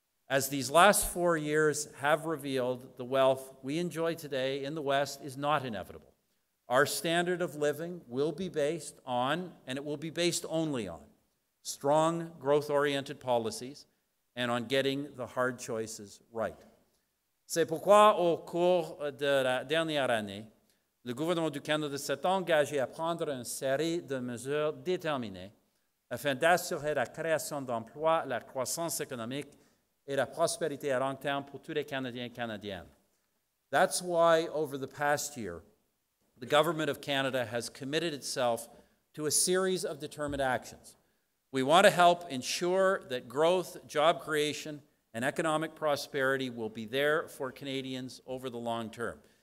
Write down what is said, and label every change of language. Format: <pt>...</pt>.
<en>As these last 4 years have revealed, the wealth we enjoy today in the West is not inevitable. Our standard of living will be based on, and it will be based only on, strong growth-oriented policies and on getting the hard choices right.</en> <fr>C'est pourquoi, au cours de la dernière année, le gouvernement du Canada s'est engagé à prendre une série de mesures déterminées afin d'assurer la création d'emplois, la croissance économique et la prospérité à long terme pour tous les Canadiens et Canadiennes.</fr> <en>That's why, over the past year, the government of Canada has committed itself to a series of determined actions. We want to help ensure that growth, job creation, and economic prosperity will be there for Canadians over the long term.</en>